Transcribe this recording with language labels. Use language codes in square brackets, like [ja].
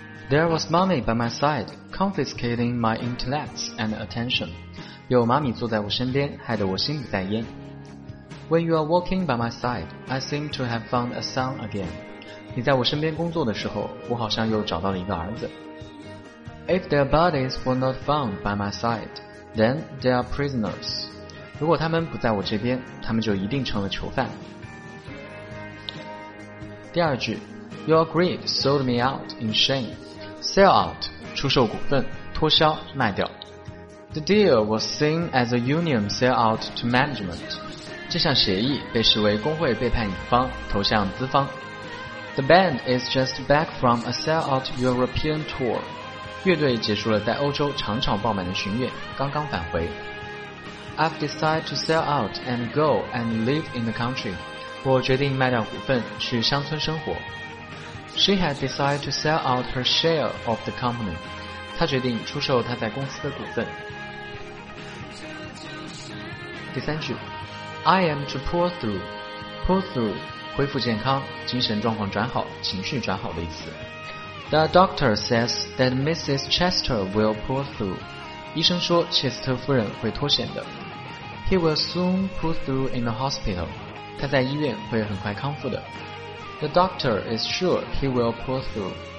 [en] There was mommy by my side, confiscating my intellect and attention, [zh] 有妈咪坐在我身边，害得我心不在焉。 [en] When you are walking by my side, I seem to have found a son again, [zh] 你在我身边工作的时候，我好像又找到了一个儿子。 [en] If their bodies were not found by my side, then they are prisoners. [zh] 如果他们不在我这边，他们就一定成了囚犯。第二句， [en] Your greed sold me out in shame. Sell out, [zh] 出售股份，脱销，卖掉。 [en] The deal was seen as a union sell out to management. [zh] 这项协议被视为工会背叛乙方，投向资方。 [en] The band is just back from a sell out European tour. [zh] 乐队结束了在欧洲场场爆满的巡演，刚刚返回。 [en] I've decided to sell out and go and live in the country. [zh] 我决定卖掉股份去乡村生活。 [en] She had decided to sell out her share of the company. [zh] 她决定出售她在公司的股份。第三句， [en] I am to pull through. Pull through, [zh] 恢复健康，精神状况转好，情绪转好的意思。 [en] The doctor says that Mrs. Chester will pull through. [zh] 医生说切斯特夫人会脱险的。 [en] He will soon pull through in the hospital. [zh] 他在医院会很快康复的。 [en] The doctor is sure he will pull through.